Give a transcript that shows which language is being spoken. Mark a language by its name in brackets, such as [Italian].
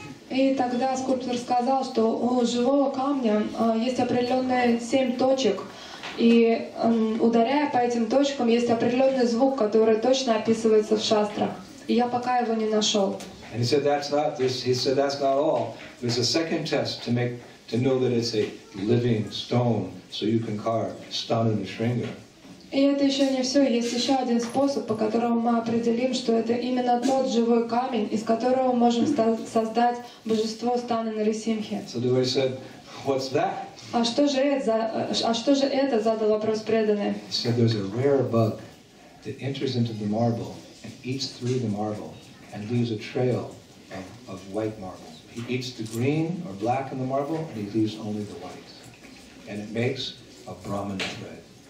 [Russian] И тогда скульптор сказал, что у живого камня есть определенные 7 точек, и ударяя по этим точкам, есть определенный звук, который точно описывается в шастрах. И я пока его не нашел. [English] And he said that's not this. He said that's not all. There's a second test to make to know that it's a living stone, so you can carve stone in the shringa. [Russian] И это еще не все. Есть еще один способ, по которому мы определим, что это именно тот живой камень, из которого можем создать божество Стана Нарисимхи. [English] So the devotee said, "What's that?" [Russian] А что же это? Задал вопрос преданный. [English] He said, "There's a rare bug that enters into the marble and eats through the marble and leaves a trail of white marble. He eats the green or black in the marble and he leaves only the white, and it makes a Brahman thread."